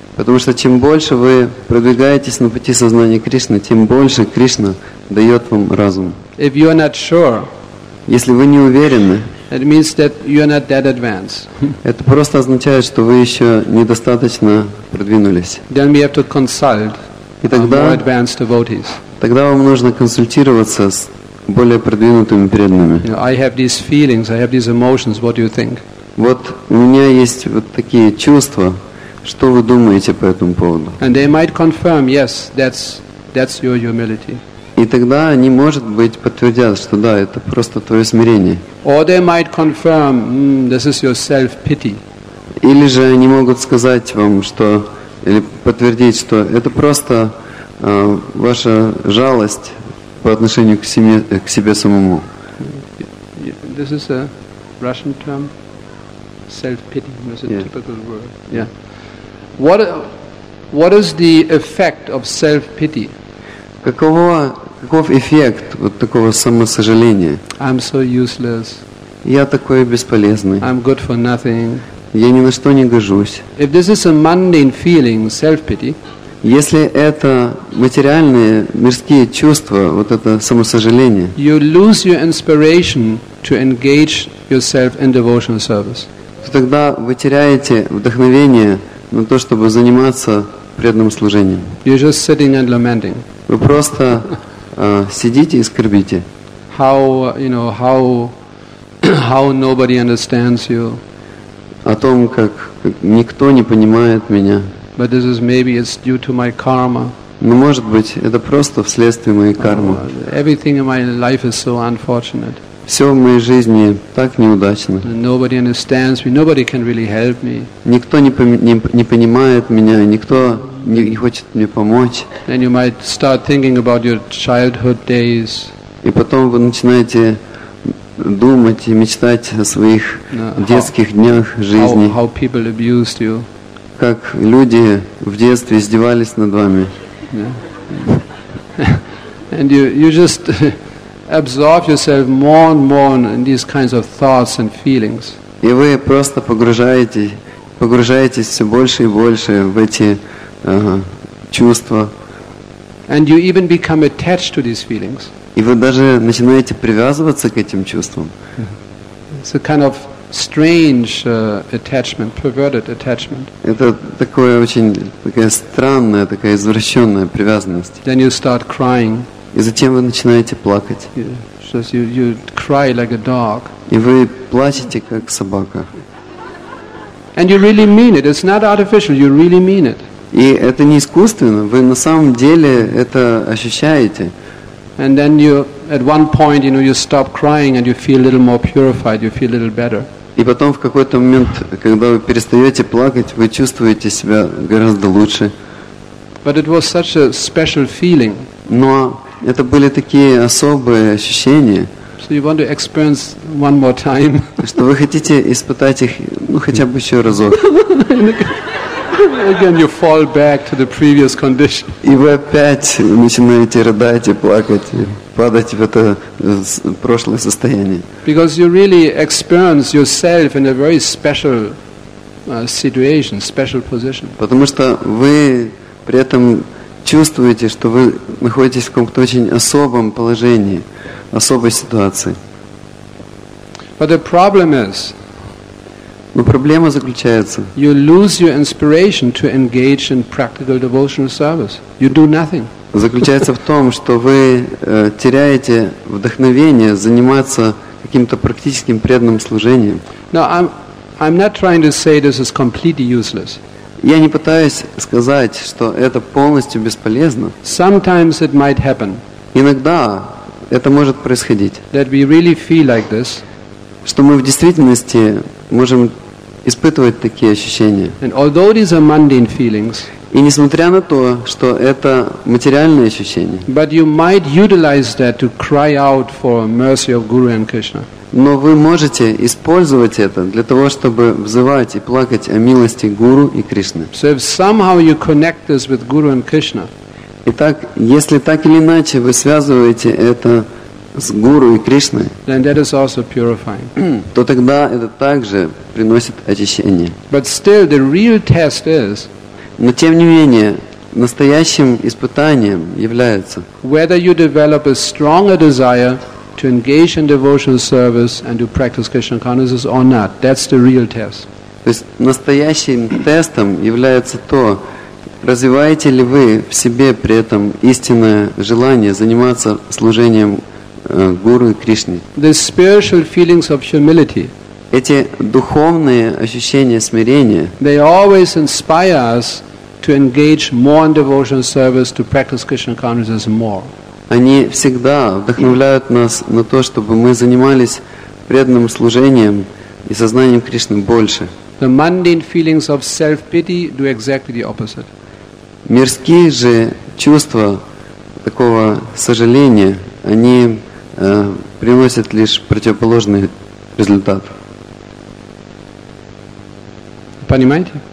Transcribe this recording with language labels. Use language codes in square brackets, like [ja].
[ru] Потому что чем больше вы продвигаетесь на пути сознания Кришны, тем больше Кришна дает вам разум. [en] If you are not sure, [ru] если вы не уверены, [en] it means that you are not that advanced. [ru] Это просто означает, что вы еще недостаточно продвинулись. [en] Then we have to consult more advanced devotees. [ru] Тогда вам нужно консультироваться с более продвинутыми преданными. [en] You know, I have these feelings, I have these emotions. What do you think? [ru] Вот у меня есть вот такие чувства. Что вы думаете по этому поводу? [en] And they might confirm, yes, that's your humility. [ru] И тогда они, может быть, подтвердят, что да, это просто твое смирение. [en] Or they might confirm, this is your self-pity. [ru] Или же они могут сказать вам, что, или подтвердить, что это просто ваша жалость по отношению к себе самому. [en] This is a Russian term, self-pity. It's a typical word. What is the effect of self-pity? [ru] Каков эффект вот такого самосожаления? [en] I'm so useless. [ru] Я такой бесполезный. [en] I'm good for nothing. [ru] Я ни на что не гожусь. [en] If this is a mundane feeling, self-pity, [ru] если это материальные, мирские чувства, вот это самосожаление, [en] you lose your inspiration to engage yourself in devotional service. [ru] То тогда вы теряете вдохновение на то, чтобы заниматься преданным служением. [en] You're just sitting and lamenting. [ru] Вы просто сидите и скорбите. [en] How nobody understands you. [ru] О том, как никто не понимает меня. [en] But this is maybe it's due to my karma. [ru] Но может быть это просто вследствие моей кармы. [en] Everything in my life is so unfortunate. [ru] Все в моей жизни так неудачно. [en] Nobody understands me. Nobody can really help me. [ru] Никто не понимает меня. Никто не хочет мне помочь. [en] Then you might start thinking about your childhood days. [ru] И потом вы начинаете думать и мечтать о своих детских днях жизни. [en] How people abused you. [ru] Как люди в детстве издевались над вами. [en] Yeah. And you just absorb yourself more and more in these kinds of thoughts and feelings. [ru] И вы просто погружаетесь все больше и больше в эти чувства. [en] And you even become attached to these feelings. [ru] И вы даже начинаете привязываться к этим чувствам. [en] It's a kind of strange attachment, perverted attachment. [ru] Это такое очень такая странная, такая извращенная привязанность. [en] Then you start crying. [ru] И затем вы начинаете плакать. [en] You cry like a dog. [ru] И вы плачете как собака. [en] And you really mean it. It's not artificial. You really mean it. [ru] И это не искусственно. Вы на самом деле это ощущаете. [en] And then you, at one point, you know, you stop crying and you feel a little more purified. You feel a little better. [ru] И потом в какой-то момент, когда вы перестаете плакать, вы чувствуете себя гораздо лучше. [en] But it was such a special feeling. [ru] Но это были такие особые ощущения. [en] So you want to experience one more time. [ru] Что вы хотите испытать их, ну хотя бы еще разок. [en] Again, you fall back to the previous condition. [ru] И вы опять начинаете рыдать и плакать, и падать в это прошлое состояние. [en] Because you really experience yourself in a very special situation, special position. [ru] Потому что вы при этом чувствуете, что вы находитесь в каком-то очень особом положении, особой ситуации. [en] But the problem is, [ru] но проблема заключается, [en] you lose your inspiration to engage in practical devotional service. You do nothing. [ru] Заключается в том, что вы теряете вдохновение заниматься каким-то практическим преданным служением. [en] Now, I'm not trying to say this is completely useless. [ru] Я не пытаюсь сказать, что это полностью бесполезно. [en] Sometimes it might happen. [ru] Иногда это может происходить. [en] That we really feel like this. [ru] Что мы в действительности можем испытывать такие ощущения. [en] And although these are mundane feelings, [ru] и несмотря на то, что это материальные ощущения, [en] but you might utilize that to cry out for mercy of Guru and Krishna. [ru] Но вы можете использовать это для того, чтобы взывать и плакать о милости Гуру и Кришны. [en] So if somehow you connect this with Guru and Krishna, [ru] итак, если так или иначе вы связываете это с Гуру и Кришной, [en] then that is also purifying. [ru] То тогда это также приносит очищение. [en] But still, the real test is, [ru] но тем не менее, настоящим испытанием является [en] whether you develop a stronger desire to engage in devotional service and to practice Krishna consciousness or not. That's the real test. [ru] То есть настоящим тестом является то, развиваете ли вы в себе при этом истинное желание заниматься служением Гуру и Кришне. [en] The spiritual feelings of humility. [ru] Эти духовные ощущения смирения. [en] They always inspire us to engage more in devotional service, to practice Krishna consciousness more. [ru] они всегда вдохновляют нас на то, чтобы мы занимались преданным служением и сознанием Кришны больше. [en] The mundane feelings of self-pity do exactly the opposite. [ru] Мирские же чувства такого сожаления, они приносят лишь противоположный результат. Понимаете?